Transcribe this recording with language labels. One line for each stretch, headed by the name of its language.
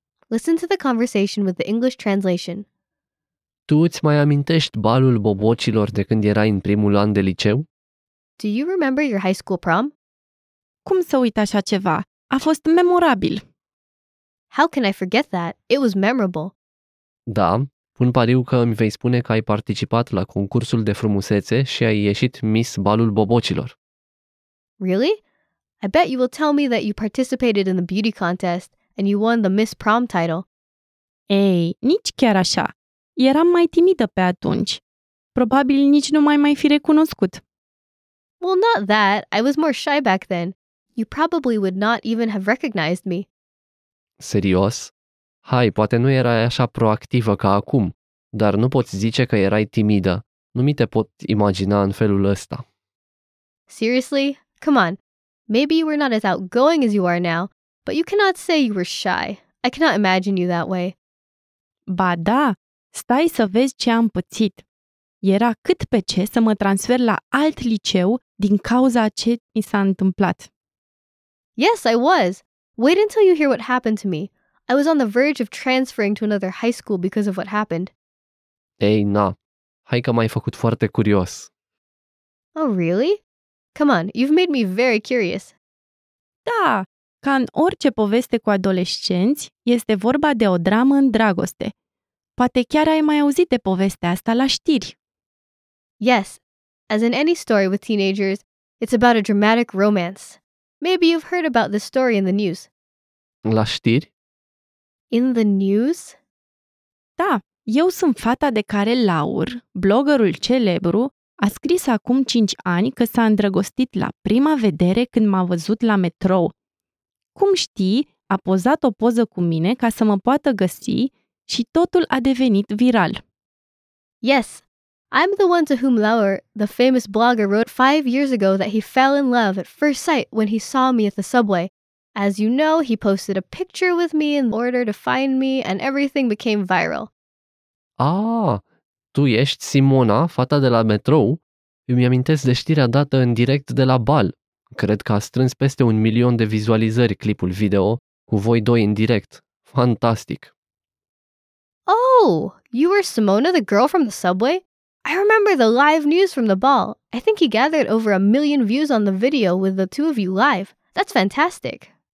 English: Listen to the conversation with the English translation.
Romanian: Tu îți mai amintești balul bobocilor de când erai în primul an de liceu?
English: Do you remember your high school prom?
Romanian: Cum să uit așa ceva? A fost memorabil.
English: How can I forget that? It was memorable.
Romanian: Da, pun pariu că îmi vei spune că ai participat la concursul de frumusețe și ai ieșit Miss Balul Bobocilor.
English: Really? I bet you will tell me that you participated in the beauty contest and you won the Miss Prom title.
Romanian: Ei, nici chiar așa. Eram mai timidă pe atunci. Probabil nici nu mai fi recunoscut.
English: Well, not that. I was more shy back then. You probably would not even have recognized me.
Romanian: Serios? Hai, poate nu erai așa proactivă ca acum, dar nu poți zice că erai timidă. Nu mi te pot imagina în felul ăsta.
English: Seriously? Come on. Maybe you were not as outgoing as you are now, but you cannot say you were shy. I cannot imagine you that way.
Romanian: Ba da, stai să vezi ce am pățit. Era cât pe ce să mă transfer la alt liceu din cauza ce mi s-a întâmplat.
English: Yes, I was. Wait until you hear what happened to me. I was on the verge of transferring to another high school because of what happened.
Romanian: Ei, na, hai că m-ai făcut foarte curios.
English: Oh, really? Come on, you've made me very curious.
Romanian: Da! Ca în orice poveste cu adolescenți, este vorba de o dramă în dragoste. Poate chiar ai mai auzit de povestea asta la știri.
English: Yes, as in any story with teenagers, it's about a dramatic romance. Maybe you've heard about this story in the news.
Romanian: La știri?
English: In the news?
Romanian: Da, eu sunt fata de care Laur, bloggerul celebru, a scris acum 5 ani că s-a îndrăgostit la prima vedere când m-a văzut la metrou. Cum știi, a pozat o poză cu mine ca să mă poată găsi și totul a devenit viral.
English: Yes, I'm the one to whom Laur, the famous blogger, wrote 5 years ago that he fell in love at first sight when he saw me at the subway. As you know, he posted a picture with me in order to find me and everything became viral.
Romanian: Ah, tu ești Simona, fata de la metrou? Îmi amintesc de știrea dată în direct de la bal. Cred că a strâns peste 1 milion de vizualizări clipul video cu voi doi în direct. Fantastic!
English: Oh, you were Simona, the girl from the subway? I remember the live news from the ball. I think he gathered over 1 million views on the video with the two of you live. That's fantastic!